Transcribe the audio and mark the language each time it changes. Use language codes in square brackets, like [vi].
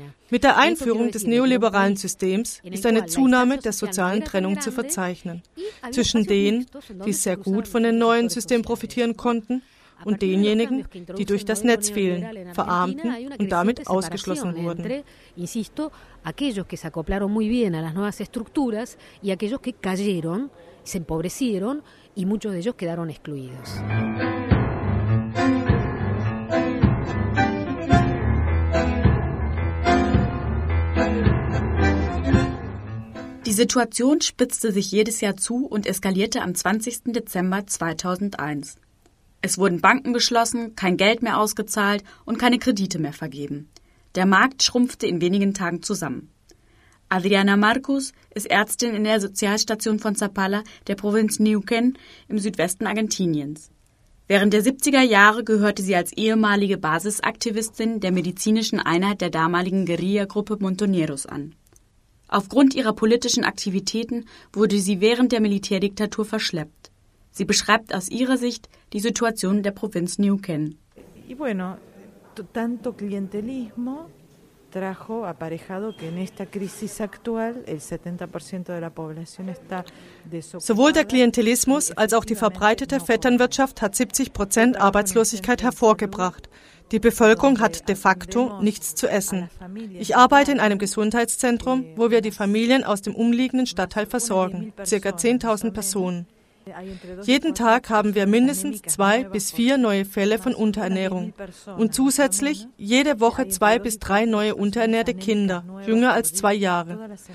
[de] Mit der Einführung des neoliberalen Systems ist eine Zunahme der sozialen Trennung zu verzeichnen zwischen denen, die sehr gut von dem neuen System profitieren konnten, und denjenigen, die durch das Netz fielen, verarmten und damit ausgeschlossen wurden. [es] Aquellos que se acoplaron muy bien a las nuevas estructuras y aquellos que cayeron, se empobrecieron y muchos de ellos quedaron excluidos. [de] Die Situation spitzte sich jedes Jahr zu und eskalierte am 20. Dezember 2001. Es wurden Banken geschlossen, kein Geld mehr ausgezahlt und keine Kredite mehr vergeben. Der Markt schrumpfte in wenigen Tagen zusammen. Adriana Marcus ist Ärztin in der Sozialstation von Zapala, der Provinz Neuquén im Südwesten Argentiniens. Während der 70er Jahre gehörte sie als ehemalige Basisaktivistin der medizinischen Einheit der damaligen Guerilla-Gruppe Montoneros an. Aufgrund ihrer politischen Aktivitäten wurde sie während der Militärdiktatur verschleppt. Sie beschreibt aus ihrer Sicht die Situation der Provinz Neuquén. [es] Y bueno, tanto clientelismo trajo aparejado que en esta crisis actual el 70% de la población está desocupada. [de] Sowohl der Klientelismus als auch die verbreitete Vetternwirtschaft hat 70% Arbeitslosigkeit hervorgebracht. Die Bevölkerung hat de facto nichts zu essen. Ich arbeite in einem Gesundheitszentrum, wo wir die Familien aus dem umliegenden Stadtteil versorgen, ca. 10.000 Personen. Jeden Tag haben wir mindestens 2 bis 4 neue Fälle von Unterernährung und zusätzlich jede Woche 2 bis 3 neue unterernährte Kinder, jünger als 2 Jahre.